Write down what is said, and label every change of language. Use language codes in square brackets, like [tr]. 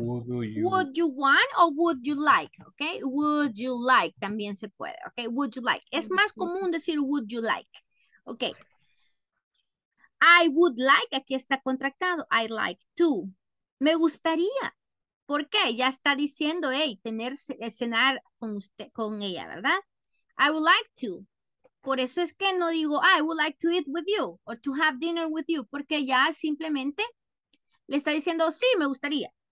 [en] Would you want or would you like? Okay, would you like? [es] También se puede. [en] Okay, would you like? [es] Es más común decir [en] would you like. Okay. I would like. [es] Aquí está contractado. [en] I'd like to. [es] Me gustaría. ¿Por qué? Ya está diciendo, hey, tener cenar con usted, con ella, ¿verdad? [en] I would like to. [es] Por eso es que no digo, [en] I would like to eat with you or to have dinner with you. [es] Porque ya simplemente le está diciendo, sí, me gustaría.